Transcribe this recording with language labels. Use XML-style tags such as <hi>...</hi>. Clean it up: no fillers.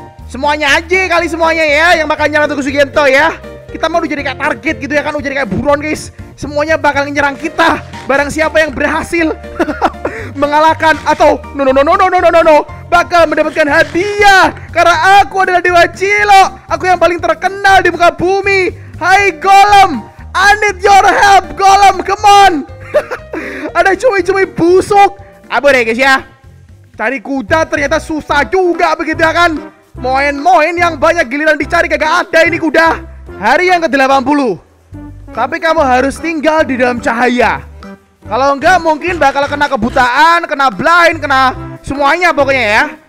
<id>Semuanya aja kali semuanya ya yang bakal nyerang Teguh Sugianto ya. Kita mau jadi kayak target gitu ya kan, udah jadi kayak buron guys. Semuanya bakal nyerang kita. Barang siapa yang berhasil mengalahkan atau no, bakal mendapatkan hadiah. Karena aku adalah Dewa Cilok. Aku yang paling terkenal di muka bumi.</id> <en>Hai Golem, I need your help Golem, come on.</en> <id>Ada cumi-cumi busuk. Apa deh guys ya. Cari kuda ternyata susah juga begitu ya kan. Moin-moin yang banyak giliran dicari kagak ada ini kuda. Hari yang ke-80. Tapi kamu harus tinggal di dalam cahaya. Kalau enggak mungkin bakal kena kebutaan, kena blind, kena semuanya pokoknya ya.</id>